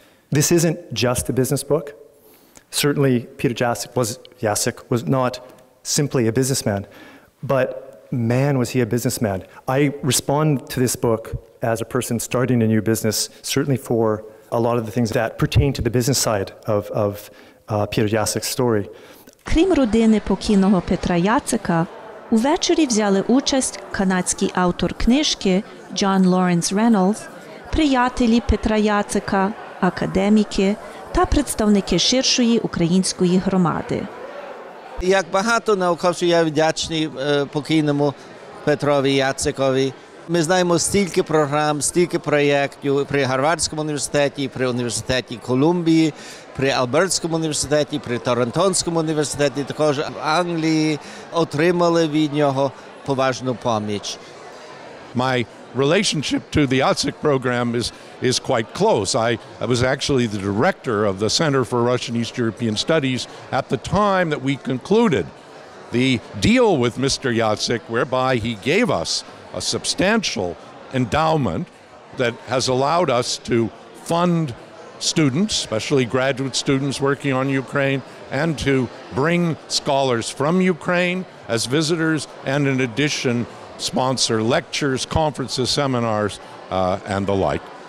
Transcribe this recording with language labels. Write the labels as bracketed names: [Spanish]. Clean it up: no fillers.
[English] This isn't just a business book. Certainly, Peter Jacek was not simply a businessman, but man, was he a businessman. I respond to this book as a person starting a new business, certainly for a lot of the things that pertain to the business side of Peter Jacek's story. [Ukrainian] Крім родини покійного Петра Яцика, увечері взяли участь канадський автор книжки Джон Лоренс Реннолдс, приятелі Петра Яцика, академіки та представники ширшої української громади. Як багато науковців, я вдячний покійному Петрові Яцикові. Ми знаємо стільки програм, стільки проєктів при Гарвардському університеті, при університеті Колумбії, при Албертському університеті, при Торонтонському університеті, також в Англії отримали від нього поважну поміч. [English] My relationship to the Jacek program is quite close. I was actually the director of the Center for Russian East European Studies at the time that we concluded the deal with Mr. Jacek, whereby he gave us a substantial endowment that has allowed us to fund students, especially graduate students working on Ukraine, and to bring scholars from Ukraine as visitors, and in addition, sponsor lectures, conferences, seminars, and the like.